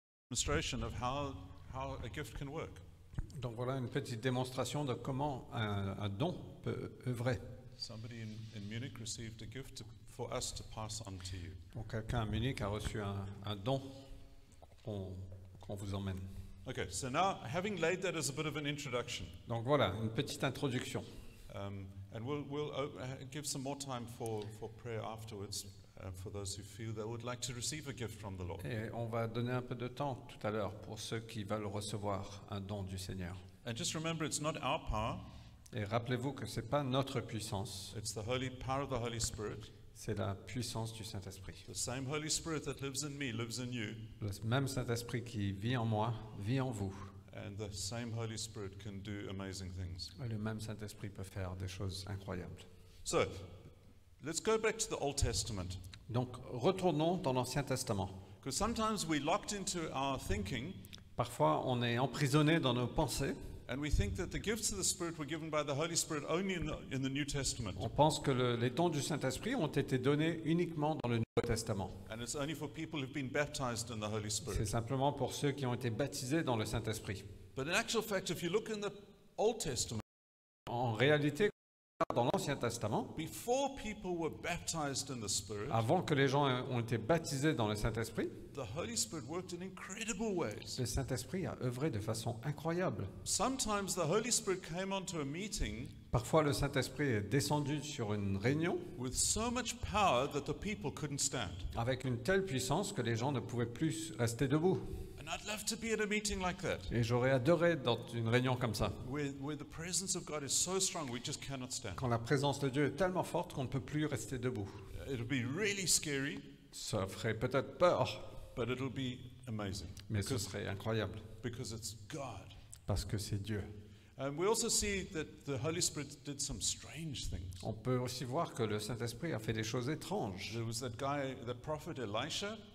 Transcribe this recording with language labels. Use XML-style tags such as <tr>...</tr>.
<en>Demonstration of how a gift can work.</en> <fr>Donc voilà une petite démonstration de comment un don peut œuvrer.</fr> <en>Somebody in Munich received a gift for us to pass on to you.</en> <fr>Donc quelqu'un à Munich a reçu un don qu'on vous emmène.</fr> <en>Okay, so now having laid that as a bit of an introduction.</en> <fr>Donc voilà une petite introduction.</fr> <en>And we'll give some more time for prayer afterwards. For those who feel they would like to receive a gift from the Lord.</en> <fr>Et on va donner un peu de temps tout à l'heure pour ceux qui veulent recevoir un don du Seigneur.</fr> <en>And just remember, it's not our power.</en> <fr>Et rappelez-vous que c'est pas notre puissance.</fr> <en>It's the holy power of the Holy Spirit.</en> <fr>C'est la puissance du Saint-Esprit.</fr> <en>The same Holy Spirit that lives in me lives in you.</en> <fr>Le même Saint-Esprit qui vit en moi vit en vous.</fr> <en>And the same Holy Spirit can do amazing things.</en> <fr>Et le même Saint-Esprit peut faire des choses incroyables.</fr> <en>So, let's go back to the Old Testament.</en> <fr>Donc, retournons dans l'Ancien Testament.</fr> <en>Because sometimes we're locked into our thinking.</en> <fr>Parfois, on est emprisonné dans nos pensées.</fr> <en>And we think that the gifts of the Spirit were given by the Holy Spirit only in the New Testament.</en> <fr>On pense que les dons du Saint-Esprit ont été donnés uniquement dans le Nouveau Testament.</fr> <en>And it's only for people who've been baptized in the Holy Spirit.</en> <fr>C'est simplement pour ceux qui ont été baptisés dans le Saint-Esprit.</fr> <en>But in actual fact, if you look in the Old Testament,</en> <fr>en réalité, dans l'Ancien Testament,</fr> <en>before people were baptized in the Spirit,</en> <fr>avant que les gens ont été baptisés dans le Saint-Esprit,</fr> <en>the Holy Spirit worked in incredible ways.</en> <fr>Le Saint-Esprit a œuvré de façon incroyable.</fr> <en>Sometimes the Holy Spirit came onto a meeting.</en> <fr>Parfois, le Saint-Esprit est descendu sur une réunion</fr> <en>with so much power that the people couldn't stand.</en> <fr>Avec une telle puissance que les gens ne pouvaient plus rester debout.</fr> <en>And I'd love to be at a meeting like that.</en> <fr>Et j'aurais adoré être dans une réunion comme ça.</fr> <en>Where the presence of God is so strong, we just cannot stand.</en> <fr>Quand la présence de Dieu est tellement forte qu'on ne peut plus rester debout.</fr> <en>It'll be really scary.</en> <fr>Ça ferait peut-être peur.</fr> <en>But it'll be amazing.</en> <fr>Mais ce serait incroyable.</fr> <en>Because it's God.</en> <fr>Parce que c'est Dieu.</fr> <en>And we also see that the Holy Spirit did some strange things.</en> <fr>On peut aussi voir que le Saint-Esprit a fait des choses étranges.</fr> <en>There was that guy, the prophet Elisha.</en>